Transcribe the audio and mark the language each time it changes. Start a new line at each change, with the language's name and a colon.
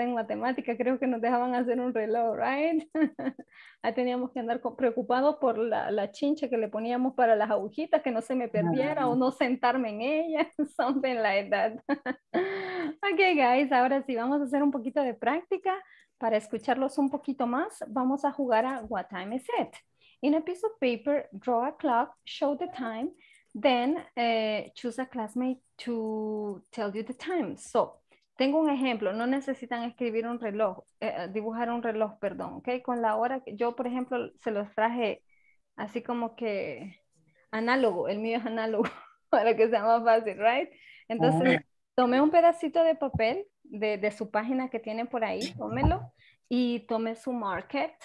Spanish: En matemática creo que nos dejaban hacer un reloj, right? Ahí teníamos que andar preocupados por la chincha que le poníamos para las agujitas, que no se me perdiera o no sentarme en ella.
English: Something like that. Ok, guys.
Spanish: Ahora sí, vamos a hacer un poquito de práctica para escucharlos un poquito más. Vamos a jugar a What Time Is It?
English: In a piece of paper, draw a clock, show the time, then choose a classmate to tell you the time.
Spanish: So, tengo un ejemplo. No necesitan escribir un reloj, dibujar un reloj, perdón. Okay, con la hora que yo, por ejemplo, se los traje así como que análogo. El mío es análogo para que sea más fácil, right? Entonces, tomé un pedacito de papel de su página que tiene por ahí, tómelo, y tome su market.